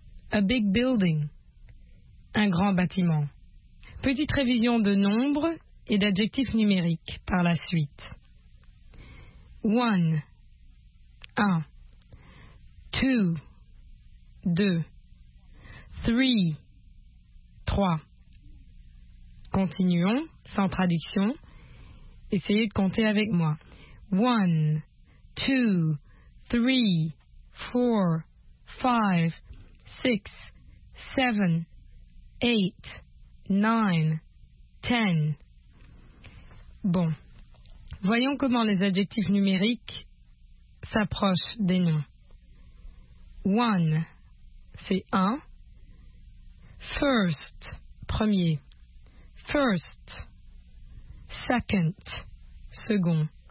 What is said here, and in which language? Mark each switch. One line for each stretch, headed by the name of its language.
English: A big building,
French: un grand bâtiment. Petite révision de nombres et d'adjectifs numériques par la suite. One, un.
English: two, deux, three, trois.
French: Continuons sans traduction. Essayez de compter avec moi.
English: One, two, three, four, five, six, seven, eight, nine, ten.
French: Bon. Voyons comment les adjectifs numériques s'approchent des noms. One, c'est un. First, premier.
English: First, second, second.